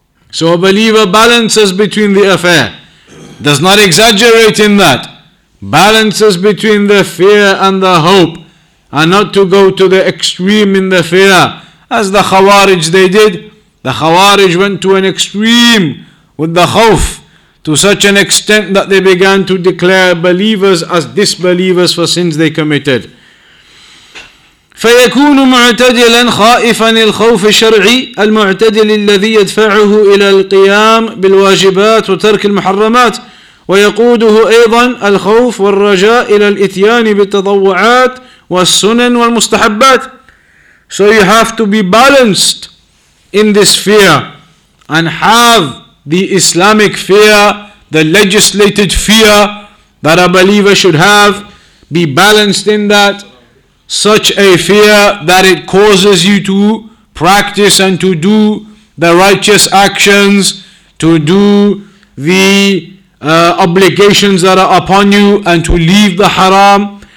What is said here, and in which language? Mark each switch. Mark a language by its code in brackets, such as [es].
[en] So a believer balances between the affair, does not exaggerate in that, balances between the fear and the hope, and not to go to the extreme in the fear, as the Khawarij they did. The Khawarij went to an extreme with the khawf, to such an extent that they began to declare believers as disbelievers for sins they committed. [ar] فيكون معتدلا خائفا الخوف الشرعي المعتدل الذي يدفعه إلى القيام بالواجبات وترك المحرمات ويقوده أيضا الخوف والرجاء إلى الإتيان بالتطوعات والسنن والمستحبات. [en] So you have to be balanced in this fear and have the Islamic fear, the legislated fear that a believer should have, be balanced in that. Such a fear that it causes you to practice and to do the righteous actions, to do the obligations that are upon you, and to leave the haram.